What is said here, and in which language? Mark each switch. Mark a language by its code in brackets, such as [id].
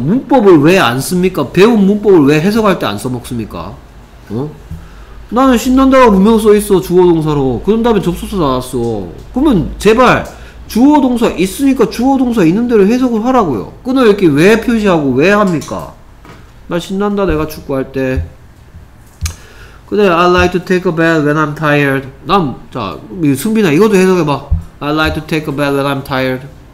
[ko] 문법을 왜 안 씁니까? 배운 문법을 왜 해석할 때 안 써먹습니까? 어? 나는 신난다가 분명 써있어 주어동사로. 그런 다음에 접속사 나왔어. 그러면 제발 주어동사 있으니까 주어동사 있는대로 해석을 하라고요. 끊어 읽기 왜 표시하고 왜 합니까? 나 신난다 내가 축구할 때. 근데 [en] I like to take a bath when I'm tired. [ko] 난 자 승빈아 이것도 해석해봐. [en] I like to take a bath when I'm tired.